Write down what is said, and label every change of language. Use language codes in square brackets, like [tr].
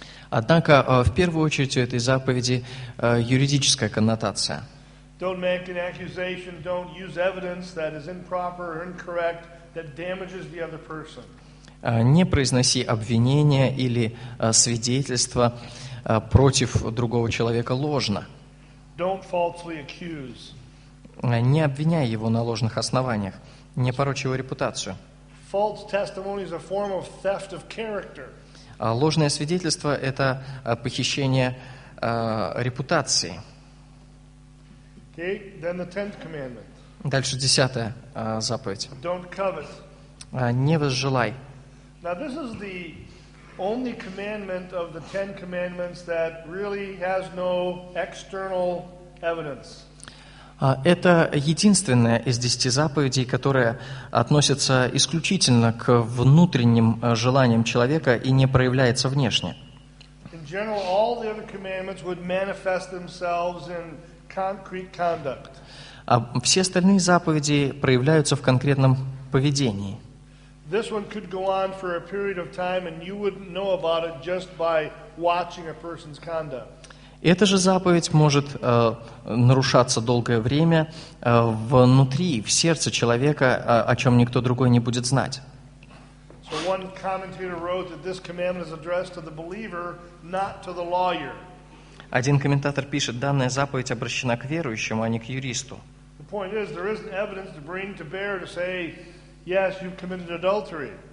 [ru] Однако, в первую очередь, у этой заповеди юридическая коннотация. [en] Don't make an accusation, don't use evidence that is improper or incorrect that damages the other person. [ru] Не произноси обвинения или свидетельства против другого человека ложно. [en] Don't falsely accuse. [ru] Не обвиняй его на ложных основаниях. Не порочь его репутацию. [en] False testimony is a form of theft of character. [ru] Ложное свидетельство – это похищение репутации. [en] Okay. Then the tenth commandment. [ru] Дальше десятая заповедь. [en] Don't covet. [ru] Не возжелай. [en] Now this is the only commandment of the Ten Commandments that really has no external evidence. [ru] Это единственное из десяти заповедей, которое относится исключительно к внутренним желаниям человека и не проявляется внешне. [en] In general, all the other commandments would manifest themselves in concrete conduct. [ru] А все остальные заповеди проявляются в конкретном поведении. [en] This one could go on for a period of time and you wouldn't know about it just by watching a person's conduct. [ru] Эта же заповедь может нарушаться долгое время внутри, в сердце человека, о чем никто другой не будет знать. [en] So one commentator wrote that this commandment is addressed to the believer, not to the lawyer. [ru] Один комментатор пишет, данная заповедь обращена к верующему, а не к юристу. [en] The point is, there isn't evidence to bring to bear to say, yes, you've committed adultery.